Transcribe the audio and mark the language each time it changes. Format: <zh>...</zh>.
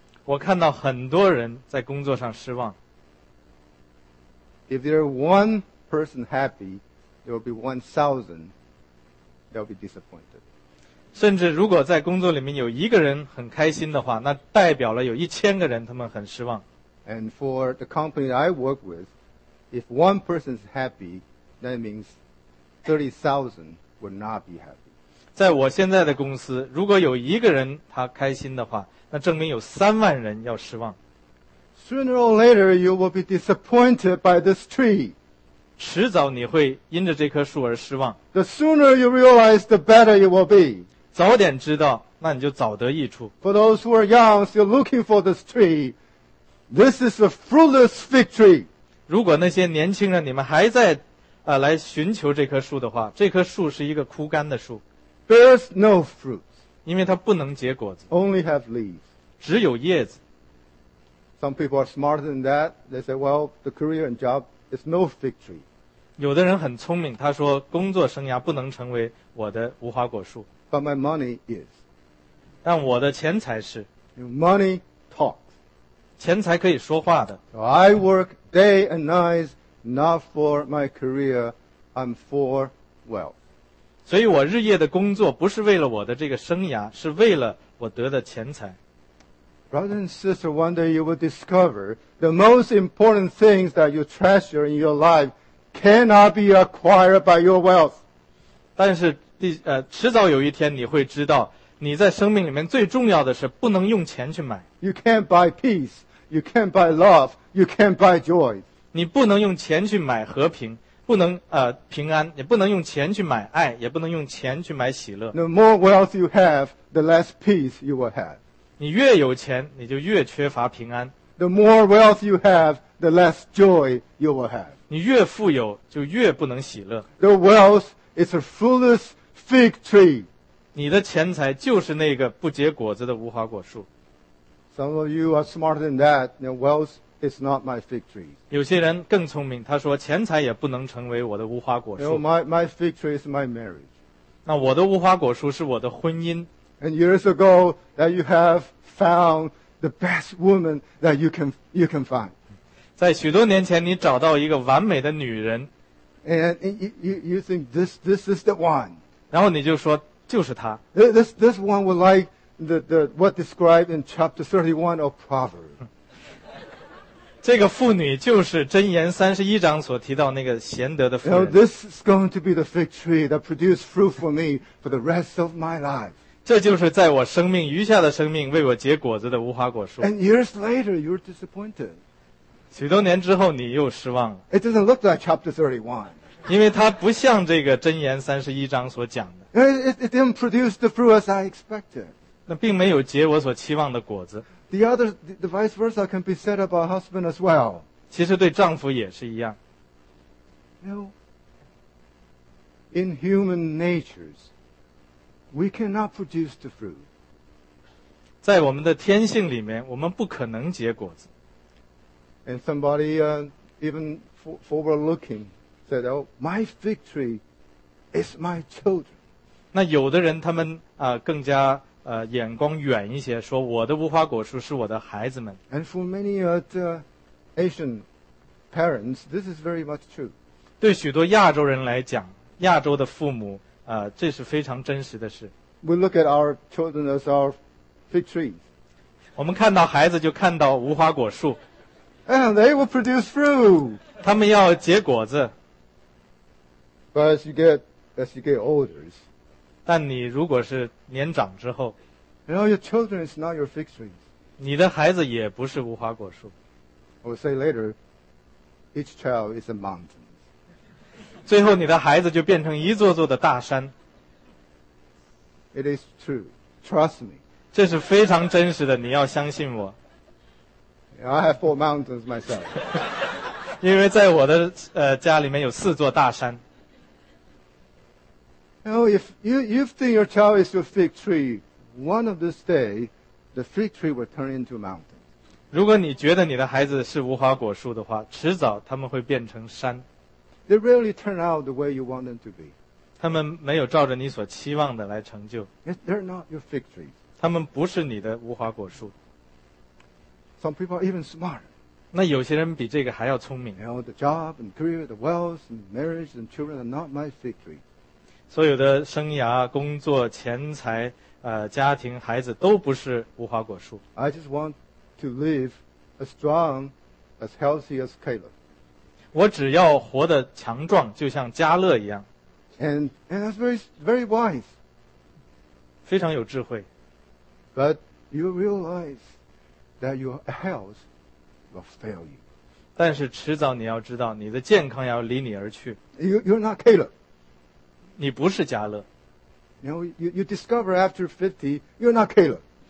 <zh>我看到很多人在工作上失望。</zh> <en>If there is one person happy, there will be 1,000 that will be disappointed.</en> <zh>甚至如果在工作里面有一个人很开心的话，那代表了有一千个人他们很失望。</zh> <en>And for the company I work with, if one person is happy, that means 30,000 would not be happy.</en> <zh>在我现在的公司，如果有一个人他开心的话，那证明有三万人要失望。</zh> <en>Sooner or later, you will be disappointed by this tree.</en> <zh>迟早你会因着这棵树而失望。</zh> <en>The sooner you realize, the better it will be.</en> <zh>早点知道，那你就早得益处。</zh> <en>For those who are young, still looking for this tree, this is a fruitless fig tree.</en> <zh>如果那些年轻人你们还在来寻求这棵树的话，这棵树是一个枯干的树。</zh> <en>Bears no fruit.</en> <zh>因为它不能结果子。</zh> <en>Only have leaves.</en> <zh>只有叶子。</zh> <en>Some people are smarter than that. They say, well, the career and job is no fig tree.</en> <zh>有的人很聪明，他说工作生涯不能成为我的无花果树。</zh> <en>But my money is.</en> <zh>但我的钱财是。</zh> <en>Your money talks.</en> <zh>钱财可以说话的。</zh> <en>So I work day and night, not for my career, I'm for wealth.</en> <zh>所以我日夜的工作不是为了我的这个生涯，是为了我得的钱财。</zh> <en>Brother and sister, one day you will discover the most important things that you treasure in your life cannot be acquired by your wealth.</en> <zh>但是迟早有一天你会知道，你在生命里面最重要的是不能用钱去买。</zh> <en>You can't buy peace, you can't buy love, you can't buy joy.</en> <zh>你不能用钱去买和平，不能平安，也不能用钱去买爱，也不能用钱去买喜乐。</zh> <en>The more wealth you have, the less peace you will have.</en> <zh>你越有钱，你就越缺乏平安。</zh> <en>The more wealth you have, the less joy you will have.</en> <zh>你越富有，就越不能喜乐。</zh> <en>The wealth is a fruitless fig tree.</en> <zh>你的钱财就是那个不结果子的无花果树。</zh> <en>Some of you are smarter than that. Your wealth is not my fig tree.</en> <zh>有些人更聪明，他说钱财也不能成为我的无花果树。</zh> <en>You know, my fig tree is my marriage.</en> <zh>那我的无花果树是我的婚姻。</zh> <en>And years ago, that you have found the best woman that you can find.</en> <zh>在许多年前，你找到一个完美的女人。</zh> <en>And you think this is the one.</en> <zh>然后你就说就是她。</zh> <en>This one was like the what described in chapter 31 of Proverbs.</en> <zh>这个妇女就是箴言31章所提到那个贤德的妇人。</zh> <en>You know, this is going to be the fig tree that produces fruit for me for the rest of my life.</en> <zh>这就是在我生命余下的生命为我结果子的无花果树。</zh> <en>And years later, you're disappointed.</en> <zh>许多年之后，你又失望了。</zh> <en>It doesn't look like chapter 31.</en> <zh>因为它不像这个箴言三十一章所讲的。</zh> <en>It didn't produce the fruit as I expected.</en> <zh>那并没有结我所期望的果子。</zh> <en>The vice versa can be said about husband as well.</en> <zh>其实对丈夫也是一样。</zh> <en>You know, in human natures. We cannot produce the fruit.</en> <zh>在我们的天性里面，我们不可能结果子。</zh> <en>And somebody even forward looking said, "Oh, my fig tree is my children."</en> <zh>那有的人他们更加眼光远一些，说我的无花果树是我的孩子们。</zh> <en>And for many Asian parents, this is very much true.</en> <zh>对许多亚洲人来讲，亚洲的父母。这是非常真实的事。</zh> <en>We look at our children as our fig trees.</en> <zh>我们看到孩子就看到无花果树。</zh> <en>And they will produce fruit.</en> <zh>他们要结果子。</zh> <en>But as you get older,</en> <zh>但你如果是年长之后，</zh> <en>you know, your children is not your fig trees.</en> <zh>你的孩子也不是无花果树。</zh> <en>I will say later, each child is a mountain.</en> <zh>最后你的孩子就变成一座座的大山。</zh> <en>It is true. Trust me.</en> <zh>这是非常真实的，你要相信我。</zh> <en>I have four mountains myself.</en> <zh>因为在我的家里面有四座大山。</zh> <en>Now, if you think your child is your fig tree, one of this day, the fig tree will turn into a mountain.</en> <zh>如果你觉得你的孩子是无花果树的话，迟早他们会变成山。</zh> <en>They rarely turn out the way you want them to be.</en> <zh>他们没有照着你所期望的来成就。</zh> <en>They're not your fig tree.</en> <zh>他们不是你的无花果树。</zh> <en>Some people are even smarter.</en> <zh>那有些人比这个还要聪明。</zh> <en>You know, the job and career, the wealth and marriage and children are not my fig tree.</en> <zh>所有的生涯、工作、钱财、家庭、孩子都不是无花果树。</zh> <en>I just want to live as strong, as healthy as Caleb.</en> <zh>我只要活得强壮，就像加勒一样。</zh> <en>And that's very, very wise.</en> <zh>非常有智慧。</zh> <en>But you realize that your health will fail you.</en> <zh>但是迟早你要知道，你的健康要离你而去。</zh> <en>You're not Caleb.</en> <zh>你不是加勒。</zh> <en>You know, you discover after 50, you're not Caleb.</en>